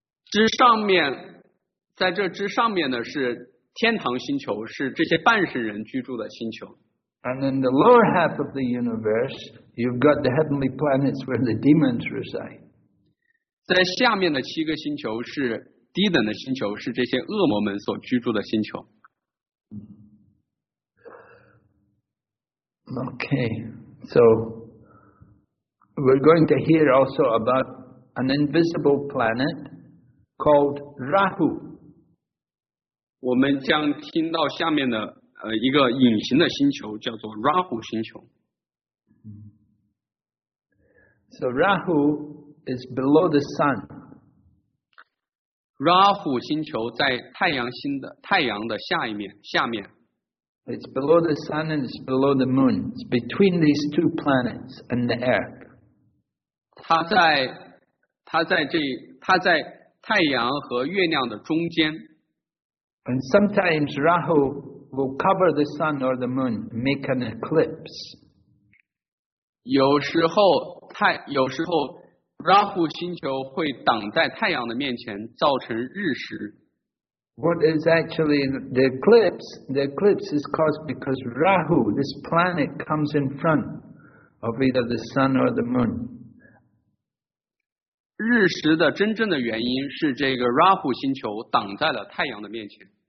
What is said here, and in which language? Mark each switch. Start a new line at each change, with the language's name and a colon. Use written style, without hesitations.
Chinese: 之上面，在这之上面呢是天堂星球，是这些半神人居住的星球。
English: And in the lower half of the universe, you've got the heavenly planets where the demons reside.
Chinese: 在下面的七个星球是低等的星球，是这些恶魔们所居住的星球。
English: Okay, so we're going to hear also about an invisible planet called Rahu.
Chinese: 我们将听到下面的一个隐形的星球叫做 Rahu 星球。
English: So Rahu. Is below the sun.
Chinese: Rahu 星球在太阳的下面。
English: It's below the sun and it's below the moon. It's between these two planets and the earth.
Chinese: 它在太阳和月亮的中间。
English: And sometimes Rahu will cover the sun or the moon, make an eclipse.
Chinese: 有时候。Rahu 星球会挡在太阳的面前，造成日食。
English: What is actually the eclipse? The eclipse is caused because Rahu, this planet, comes in front of either the sun or the moon,
Chinese: 日食的真正的原因是这个 Rahu 星球挡在了太阳的面前。